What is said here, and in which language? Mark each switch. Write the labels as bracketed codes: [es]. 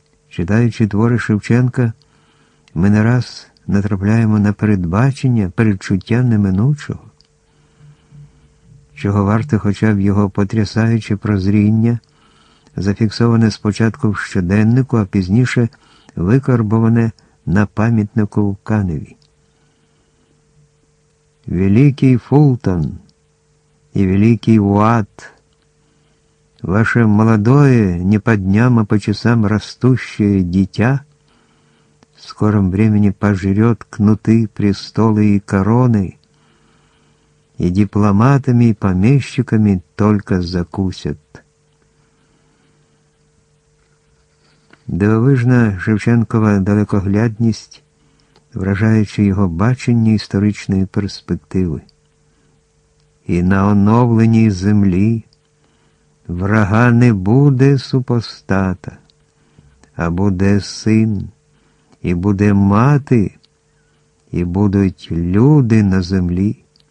[uk] Читаючи твори Шевченка, ми не раз натрапляємо на передбачення, передчуття неминучого. Чого варте хоча б його потрясаюче прозріння, зафіксоване спочатку в щоденнику, а пізніше викарбоване на пам'ятнику в Каневі. [ru] Великий Фултон і великий Уат, ваше молодое, не по дням, а по часам растущее дитя, в скором времени пожрет кнуты, престолы и короны, и дипломатами, и помещиками только закусят. [uk] Дивовижна Шевченкова далекоглядність вражаючи його бачення історичної перспективи. І на оновленій землі врага не буде супостата, а буде син, і буде мати, і будуть люди на землі.